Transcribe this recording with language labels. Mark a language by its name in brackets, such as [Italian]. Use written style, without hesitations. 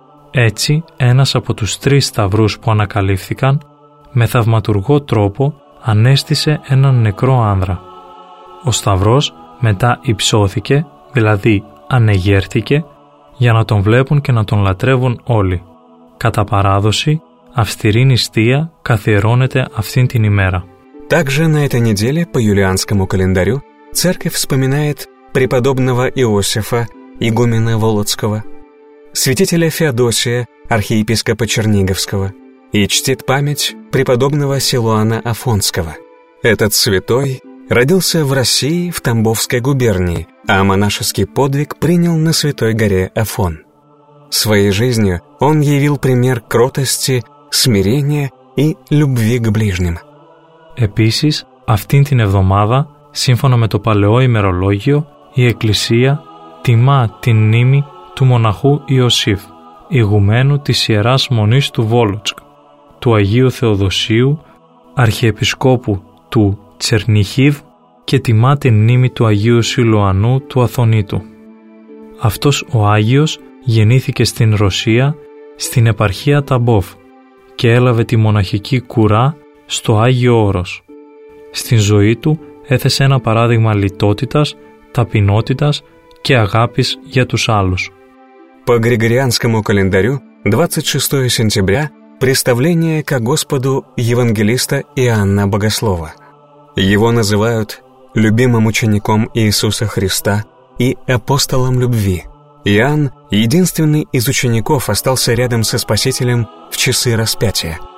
[Greek] Έτσι, ένας από τους τρεις σταυρούς που ανακαλύφθηκαν, με θαυματουργό τρόπο ανέστησε έναν νεκρό άνδρα. Ο σταυρός μετά υψώθηκε, δηλαδή ανεγέρθηκε, για να τον βλέπουν και να τον λατρεύουν όλοι. Κατά παράδοση, αυστηρή νηστεία καθιερώνεται αυτήν την ημέρα. [Russian] Также на этой неделе по юлианскому календарю церковь вспоминает преподобного Иосифа, игумена Волоцкого, святителя Феодосия, архиепископа Черниговского, и чтит память преподобного Силуана Афонского. Этот святой родился в России в Тамбовской губернии, а монашеский подвиг принял на святой горе Афон. Своей жизнью он явил пример кротости, смирения и любви к ближним. [Greek] Επίσης, αυτήν την εβδομάδα, σύμφωνα με το παλαιό ημερολόγιο, η Εκκλησία τιμά την μνήμη του μοναχού Ιωσήφ, ηγουμένου της Ιεράς Μονής του Βόλοτσκ, του Αγίου Θεοδοσίου, αρχιεπισκόπου του Τσερνιχίβ και τιμά την μνήμη του Αγίου Σιλουανού του Αθωνίτου. Αυτός ο Άγιος γεννήθηκε στην Ρωσία, στην επαρχία Ταμπόφ και έλαβε τη μοναχική κουρά στο Άγιο Όρος. Στην ζωή του έθεσε ένα παράδειγμα λιτότητας, ταπεινότητας και αγάπης για τους άλλους. [Russian] По Григорианскому календарю 26 сентября – представление ко Господу евангелиста Иоанна Богослова. Его называют «любимым учеником Иисуса Христа» и «апостолом любви». Иоанн, единственный из учеников, остался рядом со Спасителем в часы распятия.